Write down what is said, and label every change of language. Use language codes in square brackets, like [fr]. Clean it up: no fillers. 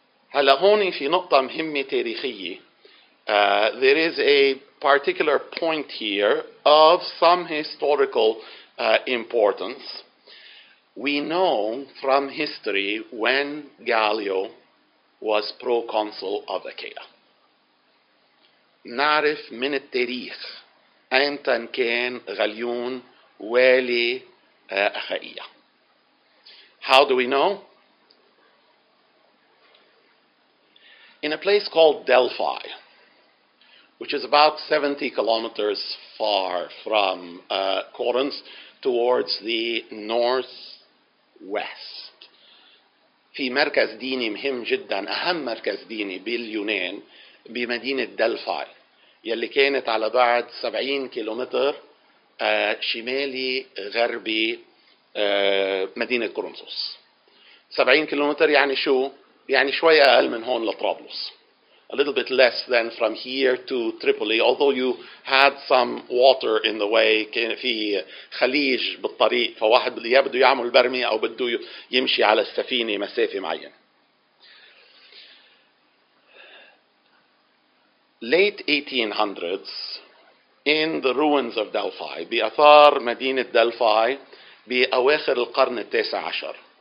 [ar] هلا هون في نقطة مهمة تاريخية. [en] There is a particular point here of some historical importance. We know from history when Gallio was proconsul of Achaia. [ar] نعرف من التاريخ أنت كان غليون والي أخائية. [en] How do we know? In a place called Delphi, which is about 70 kilometers far from Corinth towards the northwest. [ar] في مركز ديني مهم جدا, أهم مركز ديني باليونان, بمدينة دلفاي يلي كانت على بعد 70 كيلومتر شمالي غربي مدينة كورنثوس. 70 كيلومتر يعني شو؟ يعني شوية أقل من هون لطرابلس. [en] A little bit less than from here to Tripoli, although you had some water in the way. [ar] كان في خليج بالطريق، فواحد يا بده يعمل برمي أو بده يمشي على السفينة مسافة معينة. [en] Late 1800s, in the ruins of Delphi, [ar] بأثار مدينة دلفاي بأواخر القرن التاسع عشر.